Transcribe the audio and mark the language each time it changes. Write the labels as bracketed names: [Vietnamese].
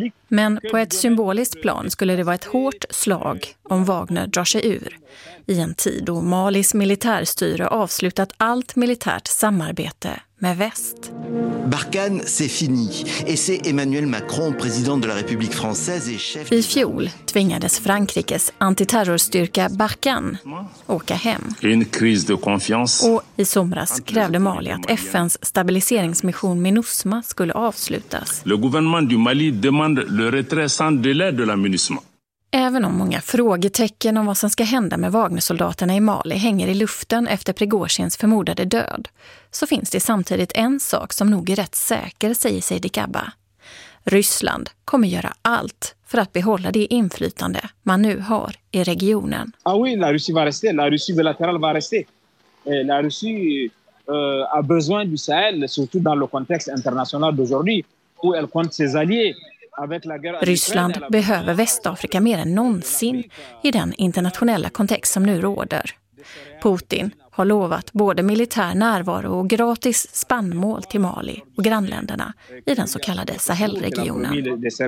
[Swedish] Men på ett symboliskt plan skulle det vara ett hårt slag om Wagner drar sig ur. I en tid då Malis militärstyre avslutat allt militärt samarbete med väst. [French] Barkhane, c'est fini. Et c'est Emmanuel Macron, président de la République française et chef. [Swedish] I fjol tvingades Frankrikes antiterrorstyrka Barkhane åka hem. [French] Une crise de confiance. [Swedish] Och i somras krävde Mali att FN:s stabiliseringsmission MINUSMA skulle avslutas. [French] Le gouvernement du Mali demande le retrait sans délai de la MINUSMA. [Swedish] Även om många frågetecken om vad som ska hända med Wagner-soldaterna i Mali hänger i luften efter Prigozjins förmodade död, så finns det samtidigt en sak som nog är rätt säker, säger Seydik Abba. Ryssland kommer göra allt för att behålla det inflytande man nu har i regionen. [French] Ah oui, la Russie va rester, la Russie bilatérale va rester. La Russie a besoin du Sahel, surtout dans le contexte international d'aujourd'hui, où elle compte ses alliés. [Swedish] Ryssland behöver Västafrika mer än någonsin i den internationella kontext som nu råder. Putin har lovat både militär närvaro och gratis spannmål till Mali och grannländerna i den så kallade Sahelregionen.